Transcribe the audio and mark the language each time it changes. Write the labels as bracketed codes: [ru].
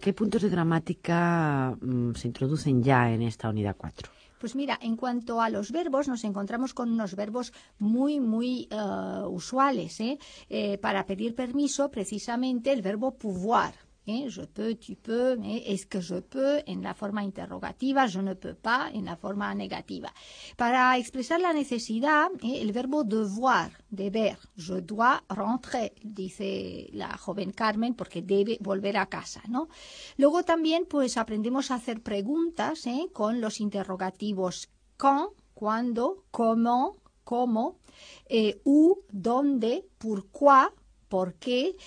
[es] ¿Qué puntos de gramática se introducen ya en esta unidad 4? Pues mira, en cuanto a los verbos, nos encontramos con unos verbos muy, muy usuales. Para pedir permiso, precisamente el verbo pouvoir. [fr] Je peux, tu peux, est-ce que je peux, [es] en la forma interrogativa, [fr] je ne peux pas, [es] en la forma negativa. Para expresar la necesidad, el verbo devoir, deber, [fr] je dois rentrer, [es] dice la joven Carmen, porque debe volver a casa, ¿no? Luego también, pues, aprendemos a hacer preguntas con los interrogativos quand, cuando, comment, cómo, où, dónde, pourquoi, ¿por qué?